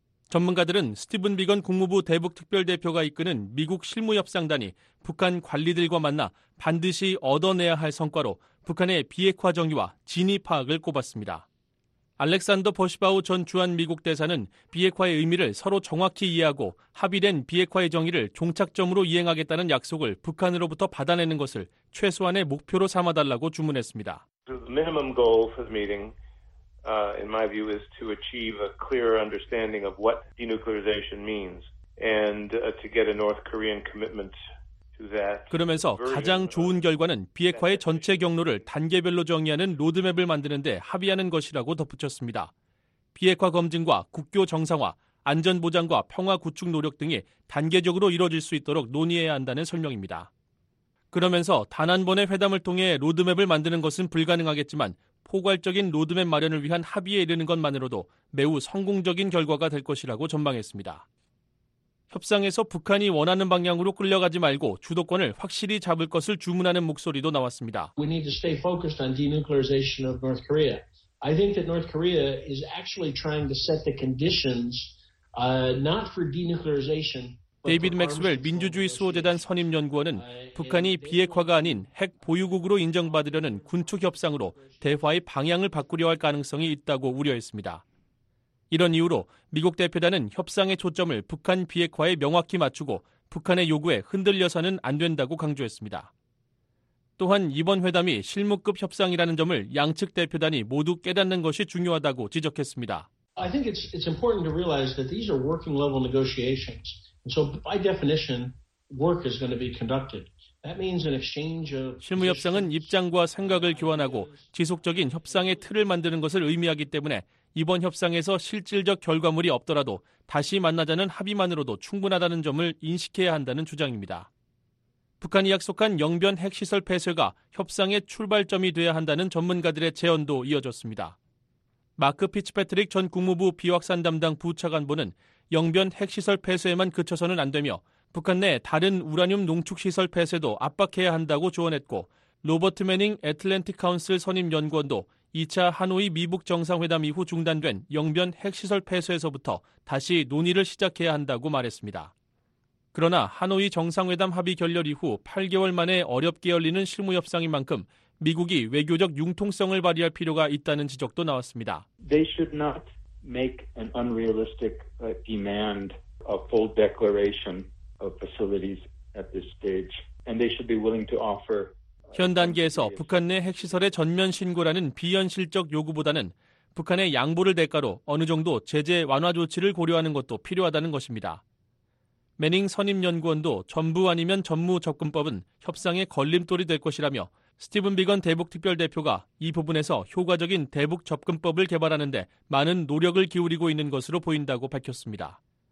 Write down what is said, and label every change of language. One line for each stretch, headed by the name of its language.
Korean: 전문가들은 스티븐 비건 국무부 대북특별대표가 이끄는 미국 실무협상단이 북한 관리들과 만나 반드시 얻어내야 할 성과로 북한의 비핵화 정의와 진위 파악을 꼽았습니다. 알렉산더 버시바우 전 주한미국 대사는 비핵화의 의미를 서로 정확히 이해하고 합의된 비핵화의 정의를 종착점으로 이행하겠다는 약속을 북한으로부터 받아내는 것을 최소한의 목표로 삼아달라고 주문했습니다.
English: The minimum goal for the meeting, in my view, is to achieve a clear understanding of what denuclearization means and to get a North Korean commitment.
Korean: 그러면서 가장 좋은 결과는 비핵화의 전체 경로를 단계별로 정의하는 로드맵을 만드는 데 합의하는 것이라고 덧붙였습니다. 비핵화 검증과 국교 정상화, 안전보장과 평화 구축 노력 등이 단계적으로 이뤄질 수 있도록 논의해야 한다는 설명입니다. 그러면서 단 한 번의 회담을 통해 로드맵을 만드는 것은 불가능하겠지만 포괄적인 로드맵 마련을 위한 합의에 이르는 것만으로도 매우 성공적인 결과가 될 것이라고 전망했습니다. 협상에서 북한이 원하는 방향으로 끌려가지 말고 주도권을 확실히 잡을 것을 주문하는 목소리도 나왔습니다.
English: We need to stay focused on denuclearization of North Korea. I think that North Korea is actually trying to set the conditions not for denuclearization.
Korean: 데이비드 맥스웰 민주주의 수호재단 선임연구원은 북한이 비핵화가 아닌 핵 보유국으로 인정받으려는 군축 협상으로 대화의 방향을 바꾸려 할 가능성이 있다고 우려했습니다. 이런 이유로 미국 대표단은 협상의 초점을 북한 비핵화에 명확히 맞추고 북한의 요구에 흔들려서는 안 된다고 강조했습니다. 또한 이번 회담이 실무급 협상이라는 점을 양측 대표단이 모두 깨닫는 것이 중요하다고 지적했습니다.
English: I think it's important to realize that these are working level negotiations. So by definition, work is going to be conducted.
Korean: 실무협상은 입장과 생각을 교환하고 지속적인 협상의 틀을 만드는 것을 의미하기 때문에 이번 협상에서 실질적 결과물이 없더라도 다시 만나자는 합의만으로도 충분하다는 점을 인식해야 한다는 주장입니다. 북한이 약속한 영변 핵시설 폐쇄가 협상의 출발점이 돼야 한다는 전문가들의 제언도 이어졌습니다. 마크 피츠패트릭 전 국무부 비확산 담당 부차관보는 영변 핵시설 폐쇄에만 그쳐서는 안 되며 북한 내 다른 우라늄 농축시설 폐쇄도 압박해야 한다고 조언했고 로버트 매닝 애틀랜틱 카운슬 선임 연구원도 2차 하노이 미북 정상회담 이후 중단된 영변 핵시설 폐쇄에서부터 다시 논의를 시작해야 한다고 말했습니다. 그러나 하노이 정상회담 합의 결렬 이후 8개월 만에 어렵게 열리는 실무협상인 만큼 미국이 외교적 융통성을 발휘할 필요가 있다는 지적도 나왔습니다.
English: They should not make an unrealistic demand of full declaration of facilities at this stage. And they should be willing to offer
Korean: 현 단계에서 북한 내 핵시설의 전면 신고라는 비현실적 요구보다는 북한의 양보를 대가로 어느 정도 제재 완화 조치를 고려하는 것도 필요하다는 것입니다. 매닝 선임 연구원도 전부 아니면 전무 접근법은 협상의 걸림돌이 될 것이라며 스티븐 비건 대북특별대표가 이 부분에서 효과적인 대북 접근법을 개발하는 데 많은 노력을 기울이고 있는 것으로 보인다고 밝혔습니다.